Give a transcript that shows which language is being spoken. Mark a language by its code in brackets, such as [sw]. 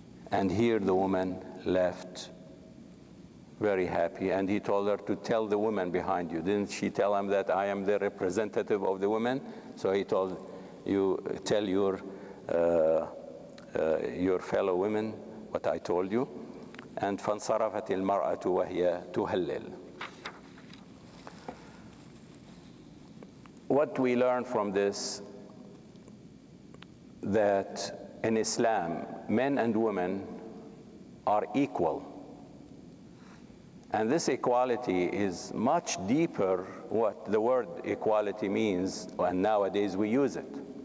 [en] And here the woman left very happy, and he told her to tell the woman behind you. Didn't she tell him that I am the representative of the woman? So he told you, tell your fellow women what I told you. [ar] And فانصرفت المرأة وهي تهلل. [en] What we learn from this, that in Islam, men and women are equal. And this equality is much deeper what the word equality means, and nowadays we use it.